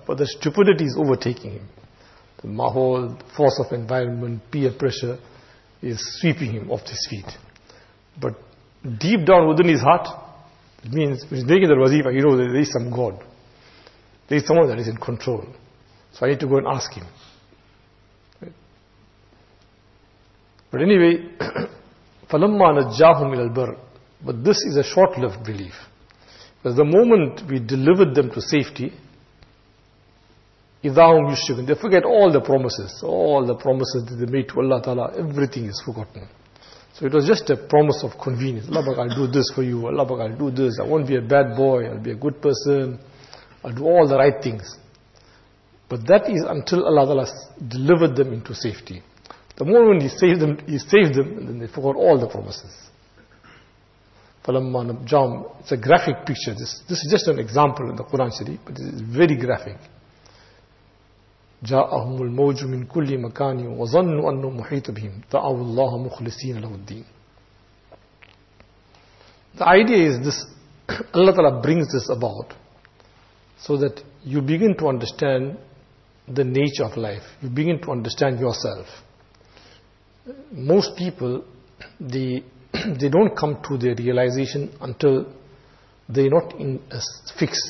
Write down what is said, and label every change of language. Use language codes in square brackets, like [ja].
[en] But the stupidity is overtaking him. The mahol, force of environment, peer pressure is sweeping him off his feet. But deep down within his heart, it means when he's making the wazifa, you know that there is some God. There is someone that is in control. So I need to go and ask him. But anyway, [ar] فَلَمَّا نَجَّاهُمْ إِلَى الْبَرِّ. [en] But this is a short-lived belief. Because the moment we delivered them to safety, [ar] إِذَاهُمْ يُشْرِكُونَ. [en] They forget all the promises that they made to Allah Ta'ala. Everything is forgotten. So it was just a promise of convenience. Allah Baraka, I'll do this for you. Allah Baraka, I'll do this. I won't be a bad boy. I'll be a good person. I'll do all the right things. But that is until Allah Ta'ala delivered them into safety. The moment He saved them, and then they forgot all the promises. It's a graphic picture. This is just an example in the Quran Sharif, but it is very graphic. [ar] جاءهم الموج من كل مكان وظنوا أنه محيط بهم دعوا الله مخلصين له الدين. [en] The idea is this: Allah Ta'ala brings this about so that you begin to understand the nature of life. You begin to understand yourself. Most people, they don't come to their realization until they're not in a fix.